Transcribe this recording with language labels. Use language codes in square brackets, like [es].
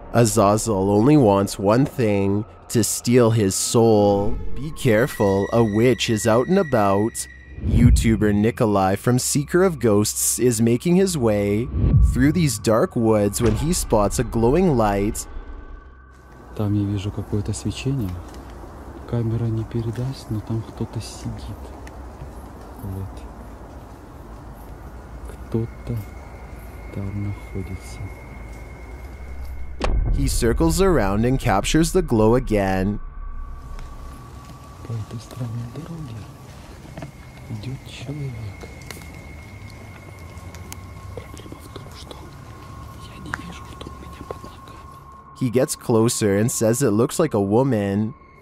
[en] Azazel only wants one thing, to steal his soul. Be careful, a witch is out and about. YouTuber Nikolai from Seeker of Ghosts is making his way through these dark woods when he spots a glowing light. [ru] Там я вижу какое-то свечение. Камера не передаст, но там кто-то сидит. Вот. Кто-то там находится. [en] He circles around and captures the glow again. [ru] По этой странной дороге идет человек. Проблема в том, что я не вижу, что у меня под ногами. [en] He gets closer and says it looks like a woman.